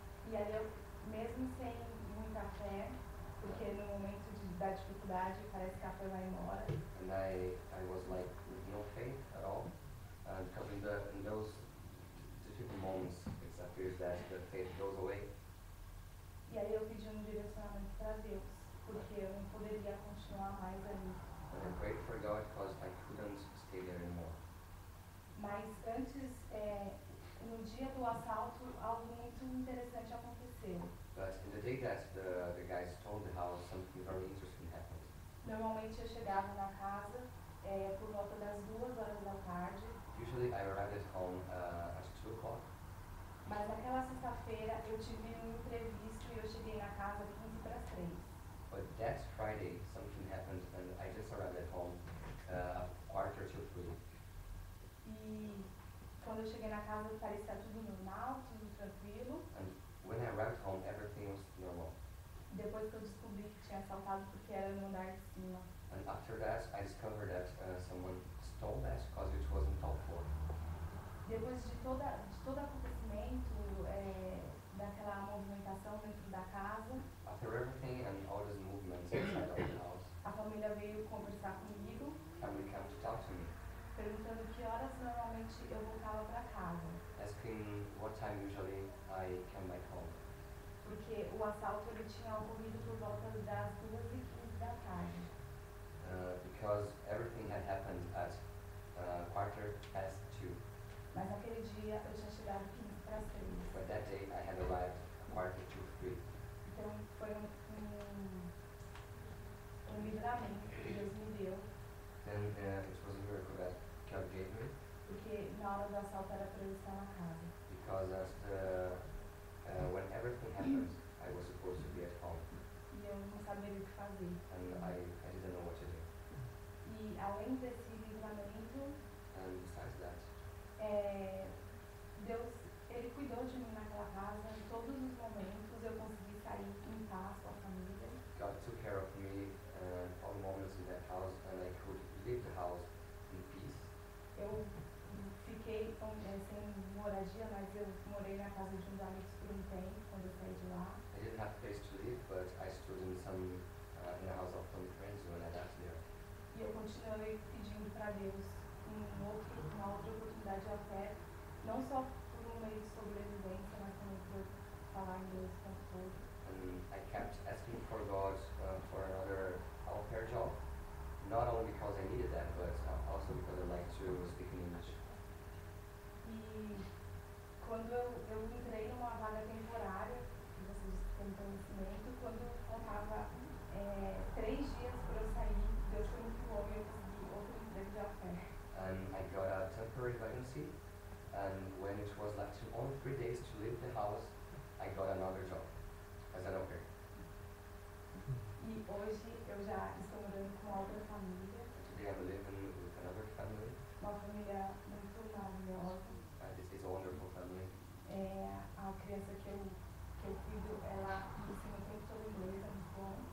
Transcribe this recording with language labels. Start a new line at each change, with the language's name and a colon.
Portuguese: E aí eu, mesmo sem muita fé, porque no momento da dificuldade parece que a fé vai embora.
English: And I was like with no faith at all. And coming in those difficult moments, it appears that the faith goes away.
Portuguese: E aí eu pedi um direcionamento para Deus, porque eu não poderia continuar mais ali.
English: And I prayed for God because I couldn't stay there anymore.
Portuguese: Mas antes, no dia do assalto, algo muito interessante aconteceu.
English: But in the day that the guys stole the house, something very interesting happened.
Portuguese: Normalmente eu chegava na casa por volta das 2 horas da tarde.
English: Usually I arrived at home at 2 o'clock.
Portuguese: Mas naquela sexta-feira eu tive imprevisto e eu cheguei na casa 15 para as 3.
English: But that Friday something happened and I just arrived at home a quarter to 3.
Portuguese: E quando eu cheguei na casa parecia tudo normal, tudo tranquilo.
English: And when I arrived home everything was normal.
Portuguese: Depois que eu descobri que tinha assaltado porque era no andar de cima.
English: And after that I discovered that someone stole that because it was on top 4.
Portuguese: Depois de todo acontecimento, daquela movimentação dentro da casa.
English: After everything and all these movements inside of the house.
Portuguese: A família veio conversar comigo.
English: Family came to talk to me.
Portuguese: Perguntando que horas normalmente eu voltava para casa.
English: Asking what time usually I came back home.
Portuguese: Porque o assalto ele tinha ocorrido por volta das 2:15 da tarde.
English: Because everything had happened at 2:15.
Portuguese: Mas naquele dia eu tinha chegado 15 para as 3.
English: But that day I had arrived 2:15.
Portuguese: Então foi um livramento que Deus me deu.
English: Then it was a miracle that God gave me.
Portuguese: Porque na hora do assalto era para eu estar na casa.
English: Because as the when everything happened, I was supposed to be at home.
Portuguese: E eu não sabia o que fazer.
English: And I didn't know what to do.
Portuguese: E além desse livramento.
English: And besides that.
Portuguese: Deus, ele cuidou de mim naquela casa, em todos os momentos eu consegui sair em paz com a família.
English: God took care of me all moments in that house and I could leave the house in peace.
Portuguese: Eu fiquei sem moradia, mas eu morei na casa de uns amigos por um tempo, quando eu saí de lá.
English: I didn't have a place to live, but I stood in the house of some friends when I got there.
Portuguese: E eu continuei pedindo para Deus. Uma outra oportunidade até, não só por um meio de sobrevivência, mas também por falar inglês com todos.
English: And I kept asking for God for another au pair job, not only because I needed that, but also because I liked to speak in English.
Portuguese: E quando eu entrei numa vaga temporária, que vocês têm conhecimento, quando eu faltava 3 dias para eu sair, Deus foi muito bom e eu consegui outro emprego de au pair.
English: And I got a temporary vacancy, and when it was left to only 3 days to leave the house, I got another job as an au pair.
Portuguese: E hoje eu já estou morando com outra família.
English: Today I'm living with another family.
Portuguese: Uma família muito maravilhosa.
English: And this is a wonderful family.
Portuguese: A criança que eu cuido, ela me ensina o tempo todo inglês, é muito bom.